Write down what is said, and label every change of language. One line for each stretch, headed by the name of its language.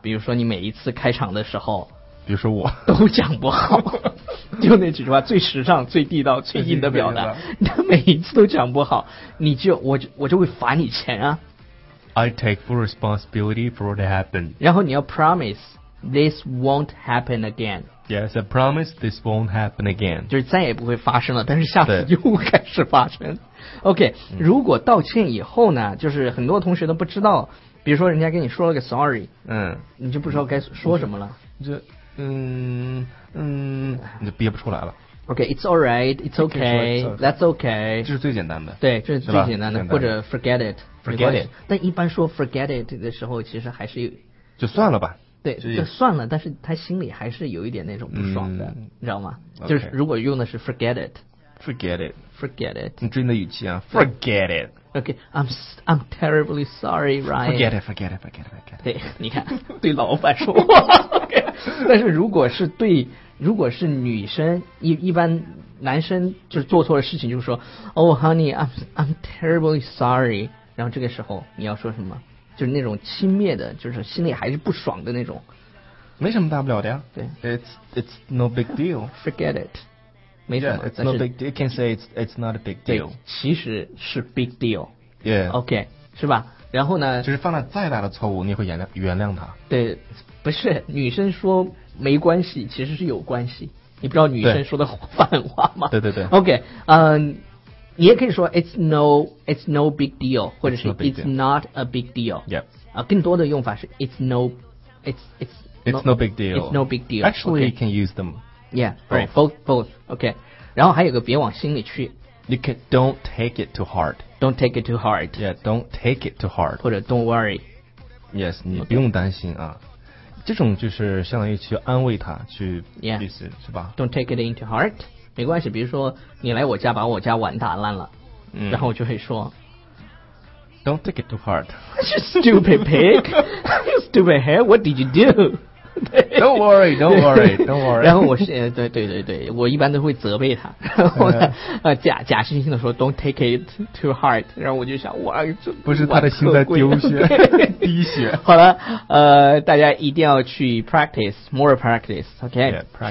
Chinese: 比如说你每一次开场的时候，比如说我都讲不好。就那几句话，最时尚、最地道、最硬的表达，他每一次都讲不好，你就我就会罚你钱啊。
English: I take full responsibility for what happened.
Chinese: 然后你要
English: promise this won't happen again. Yes, I promise this won't happen again.
Chinese: 就是再也不会发生了，但是下次又开始发生。 OK, 如果道歉以后呢，就是很多同学都不知道，比如说人家跟你说了个 sorry, 你就不知道该说什么了。就你就憋不出来了。
English: Okay, it's alright, it's okay, that's okay.
Chinese: 这是最简单的。对，这是最简单的，或者
English: forget it, forget it.
Chinese: 但一般说
English: forget it
Chinese: 的时候，其实还是有就算了吧。对，就算了，但是他心里还是有一点那种不爽的，你知道吗？就是如果用的是
English: forget it, forget it, forget it.
Chinese: 你注意你的语气啊，
English: forget it. Okay, I'm terribly sorry, Ryan. Forget it, forget it, forget it, forget it.
Chinese: 对，你看，对老板说话。但是如果是女生，一般男生就是做错了事情就说
English: Oh honey, I'm terribly sorry.
Chinese: 然后这个时候你要说什么，就是那种轻蔑的，就是心里还是不爽的那种。没什么大不了的呀。对，
English: It's no big deal. Forget it.
Chinese: 没什么。
English: Yeah, it's no big deal. You can say it's not a big deal.
Chinese: 其实是
English: big deal. Yeah.
Chinese: OK, 是吧？然后呢，就是犯了再大的错误你会原谅他。对，不是，女生说没关系其实是有关系，你不知道女生说的反话吗？对对对。
English: OK,
Chinese: 你也可以说
English: it's no big deal,
Chinese: 或者是
English: it's not a big deal。 Yep,
Chinese: 更多的用法是
English: it's no big deal. Actually, okay, you can use them. Yeah, both.
Chinese: OK, 然后还有个别往心里去。
English: You can don't take it too hard. Don't take it too hard. Yeah, don't take it too hard.
Chinese: 或者
English: don't worry.
Chinese: Yes， 你不用担心啊。这种就是相当于去安慰他，去意思、
English: yeah.
Chinese: 是吧
English: ？Don't take it into heart，
Chinese: 没关系。比如说你来我家把我家碗打烂了，嗯、然后我就会说
English: ，Don't take it to heart， you stupid pig， you stupid head， what did you do？ Don't worry, don't worry, don't worry 。
Chinese: 然后我是对对对对，我一般都会责备他，然后他假惺惺的说
English: "Don't take it to heart"，
Chinese: 然后我就想哇，不是他的心在丢血，滴血。好了，大家一定要去
English: practice more practice，
Chinese: OK，、okay?
English: yeah,